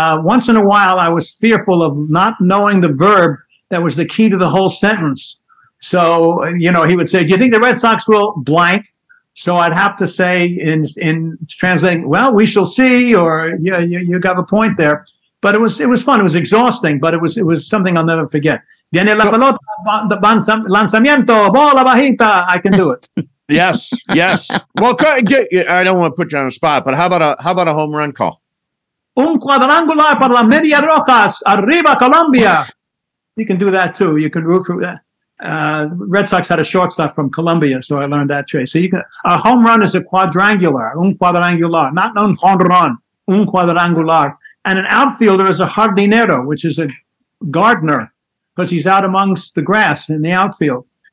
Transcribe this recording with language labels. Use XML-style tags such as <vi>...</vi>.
<en>Once in a while, I was fearful of not knowing the verb that was the key to the whole sentence. So, you know, he would say, do you think the Red Sox will blank? So I'd have to say in translating, well, we shall see, or yeah, you have a point there. But it was fun. It was exhausting, but it was something I'll never forget.</en> <es>Viene la pelota, lanzamiento, bola bajita.</es> <en>I can do it. Yes, yes. Well, I don't want to put you on the spot, but how about a home run call?</en> <es>Un cuadrangular para la media rojas, arriba Colombia.</es> <en>You can do that too. You can root for that. Red Sox had a shortstop from Colombia, so I learned that trade. So you can, a home run is a quadrangular,</en> <es>un cuadrangular,</es> <en>not un home run, un cuadrangular. And an outfielder is a jardinero, which is a gardener, because he's out amongst the grass in the outfield.</en>